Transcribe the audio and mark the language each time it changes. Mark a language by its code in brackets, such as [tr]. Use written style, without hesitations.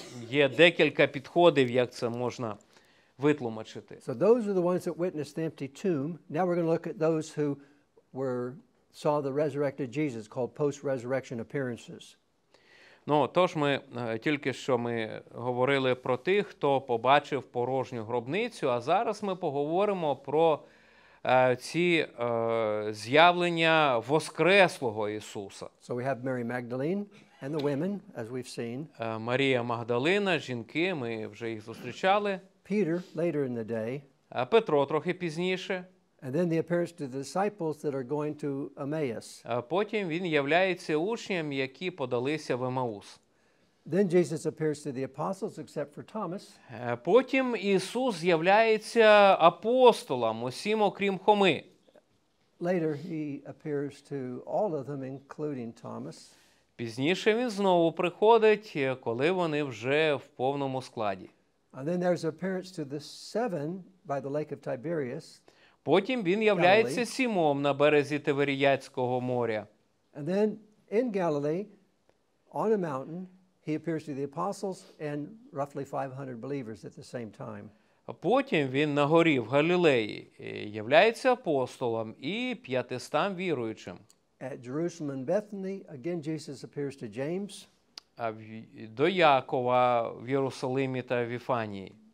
[uk] Є декілька підходів, як це можна витлумачити. [en] So those are the ones that witnessed the empty tomb. Now we're going to look at those who saw the resurrected Jesus called post-resurrection appearances. [uk] Ну, тож ми тільки що ми говорили про тих, хто побачив порожню гробницю, а зараз ми поговоримо про ці з'явлення воскреслого Ісуса. [en] So we have Mary Magdalene and the women, as we've seen. [uk] Марія Магдалина, жінки, ми вже їх зустрічали. [en] Peter later in the day. [uk] А Петро трохи пізніше. [en] And then the appearance to the disciples that are going to Emmaus. [uk] А потім він являється учням, які подалися в Емаус. [en] Then Jesus appears to the apostles except for Thomas. [uk] А потім Ісус з'являється апостолам, усім окрім Хоми. [en] Later he appears to all of them including Thomas. [uk] Пізніше він знову приходить, коли вони вже в повному складі. [en] And then there's appearance to the seven by the lake of Tiberias. [uk] Потім він являється сімом на березі Тиверіяцького моря. [en] And then in Galilee on a mountain he appears to the apostles and roughly 500 believers at the same time. [uk] Потім він на горі в Галілеї являється апостолам і 500 віруючим. [en] At Jerusalem and Bethany again Jesus appears to James. [uk] А до Якова в Єрусалимі та в Іфанії.